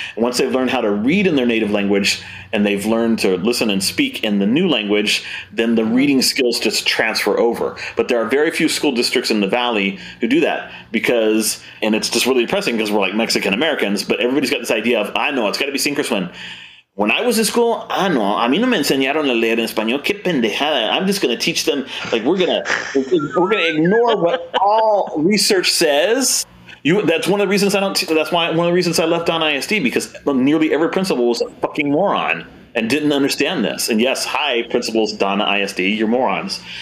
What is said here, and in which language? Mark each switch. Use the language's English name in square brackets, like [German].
[English] And once they've learned how to read in their native language and they've learned to listen and speak in the new language, then the reading skills just transfer over. But there are very few school districts in the Valley who do that, because, and it's just really depressing because we're like Mexican Americans, but everybody's got this idea of, I know, it's got to be sink or swim. When I was in school, [Spanish] ah, no, a mí no me enseñaron a leer en español. Qué pendejada. [English] I'm just going to teach them. Like, we're gonna ignore what all research says. One of the reasons I left Don ISD, because nearly every principal was a fucking moron and didn't understand this. And yes, hi, principals, Donna ISD, you're morons.